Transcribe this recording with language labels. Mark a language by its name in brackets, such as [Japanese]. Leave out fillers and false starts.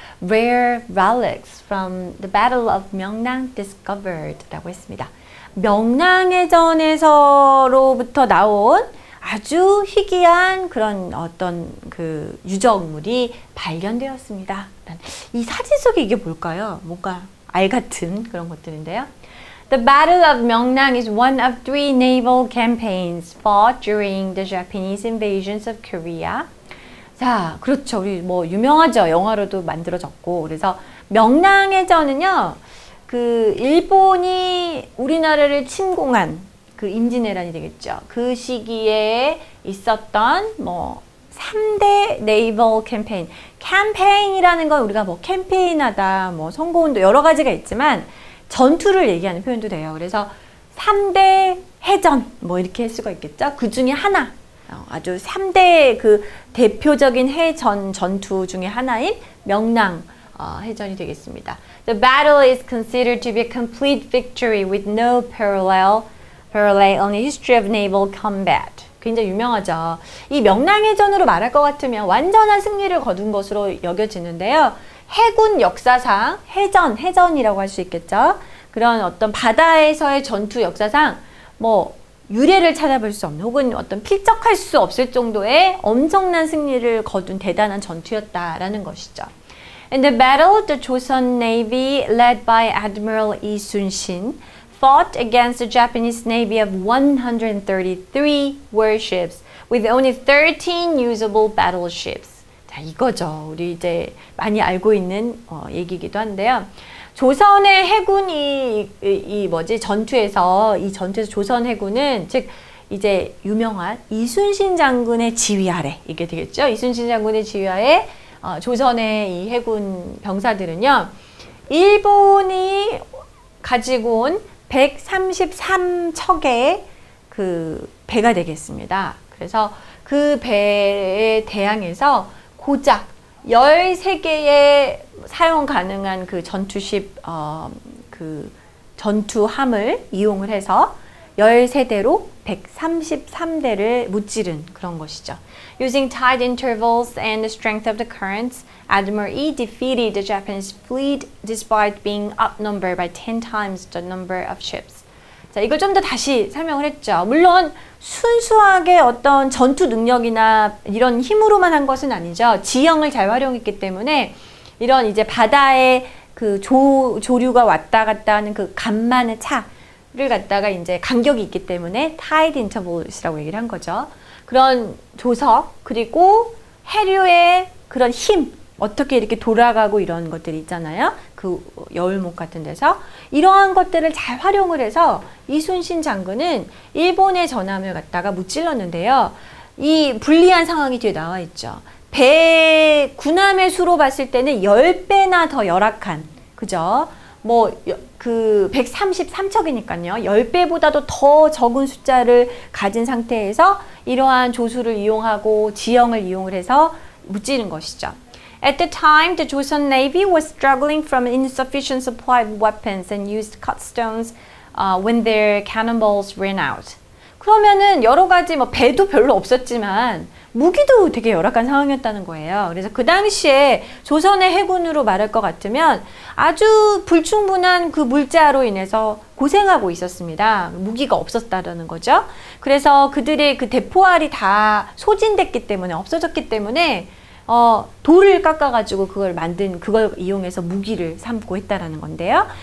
[English] Rare relics from the Battle of Myeongnang discovered [Korean] 라고 했습니다. 명랑해전에서로부터 나온 아주 희귀한 그런 어떤 그 유적물이 발견되었습니다. 이 사진 속에 이게 뭘까요? 뭔가 알 같은 그런 것들인데요. [English] The Battle of Myeongnang is one of three naval campaigns fought during the Japanese invasions of Korea. [Korean] 자, 그렇죠. 우리 뭐 유명하죠. 영화로도 만들어졌고. 그래서 명랑해전은요, 그 일본이 우리나라를 침공한 그 임진왜란이 되겠죠. 그 시기에 있었던 뭐 3대 네이벌 캠페인. 캠페인이라는 건 우리가 뭐 캠페인하다, 뭐 선거운동 여러 가지가 있지만 전투를 얘기하는 표현도 돼요. 그래서 3대 해전 뭐 이렇게 할 수가 있겠죠. 그 중에 하나. 아주 3대 그 대표적인 해전 전투 중에 하나인 명랑 해전이 되겠습니다. [English] The battle is considered to be a complete victory with no parallel on the history of naval combat. [Korean] 굉장히 유명하죠. 이 명랑해전으로 말할 것 같으면 완전한 승리를 거둔 것으로 여겨지는데요. 해군 역사상 해전이라고 할 수 있겠죠. 그런 어떤 바다에서의 전투 역사상 뭐 유례를 찾아볼 수 없는 혹은 어떤 필적할 수 없을 정도의 엄청난 승리를 거둔 대단한 전투였다라는 것이죠. [English] In the battle, the Joseon Navy led by Admiral Lee Soon-shin fought against the Japanese Navy of 133 warships with only 13 usable battleships. [Korean] 자, 이거죠. 우리 이제 많이 알고 있는 얘기이기도 한데요. 조선의 해군이 전투에서 이 전투에서 조선 해군은 즉 이제 유명한 이순신 장군의 지휘 아래 이게 되겠죠. 이순신 장군의 지휘 아래 조선의 이 해군 병사들은요. 일본이 가지고 온 133척의 그 배가 되겠습니다. 그래서 그 배에 대항해서 고작 13개의 사용 가능한 그 전투십, 그 전투함을 이용을 해서 13대로 133대를 무찌른 그런 것이죠. [English] Using tide intervals and the strength of the currents, Admiral Yi defeated the Japanese fleet despite being outnumbered by 10 times the number of ships. [Korean] 자, 이걸 좀 더 다시 설명을 했죠. 물론 순수하게 어떤 전투 능력이나 이런 힘으로만 한 것은 아니죠. 지형을 잘 활용했기 때문에 이런 이제 바다에 그 조류가 왔다 갔다 하는 그 간만의 차를 갖다가 이제 간격이 있기 때문에 tide intervals라고 얘기를 한 거죠. 그런 조석 그리고 해류의 그런 힘 어떻게 이렇게 돌아가고 이런 것들이 있잖아요. 그 여울목 같은 데서 이러한 것들을 잘 활용을 해서 이순신 장군은 일본의 전함을 갖다가 무찔렀는데요. 이 불리한 상황이 뒤에 나와 있죠. 배 군함의 수로 봤을 때는 10배나 더 열악한 그죠? 뭐 그 133척이니까요. 10배보다도 더 적은 숫자를 가진 상태에서 이러한 조수를 이용하고 지형을 이용을 해서 무찌른 것이죠. [English] At the time, the Joseon Navy was struggling from insufficient supply of weapons and used cut stones when their cannonballs ran out. [Korean] 그러면은 여러 가지 뭐 배도 별로 없었지만 무기도 되게 열악한 상황이었다는 거예요. 그래서 그 당시에 조선의 해군으로 말할 것 같으면 아주 불충분한 그 물자로 인해서 고생하고 있었습니다. 무기가 없었다라는 거죠. 그래서 그들의 그 대포알이 다 소진됐기 때문에 없어졌기 때문에 돌을 깎아가지고 그걸 만든 그걸 이용해서 무기를 삼고 했다라는 건데요.